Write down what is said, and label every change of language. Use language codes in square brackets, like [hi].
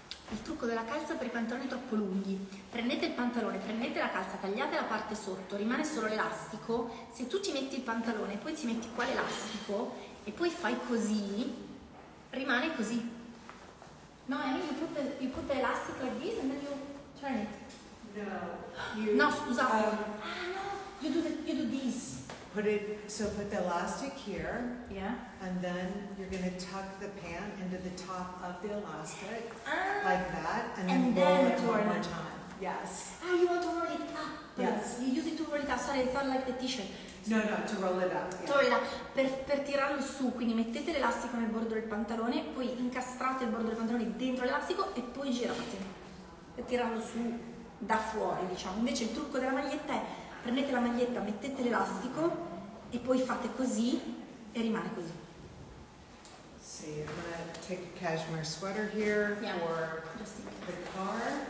[it] il trucco della calza per i pantaloni troppo lunghi. Prendete il pantalone, prendete la calza, tagliate la parte sotto, rimane solo l'elastico. Se tu ti metti il pantalone, poi ti metti qua l'elastico e poi fai così, rimane così. [en] No, I mean you put the elastic like this and then you turn it. No. [it] No, scusa. [en] You do this. Put the elastic here. Yeah. And then you're gonna tuck the pant into the top of the elastic like that, and then roll it one more time. Yes. You want to roll it up? Yes. You use it to roll it up. Sorry, I thought like the t-shirt. No, to roll it up. Yeah. Roll it up. [it] Per tirarlo su, quindi mettete l'elastico nel bordo del pantalone, poi incastrate il bordo del pantalone dentro l'elastico e poi girate per tirarlo su da fuori, diciamo. Invece il trucco della maglietta è prendete la maglietta, mettete l'elastico e poi fate così e rimane così. [en] Sì, I'm gonna take a cashmere sweater here for the car.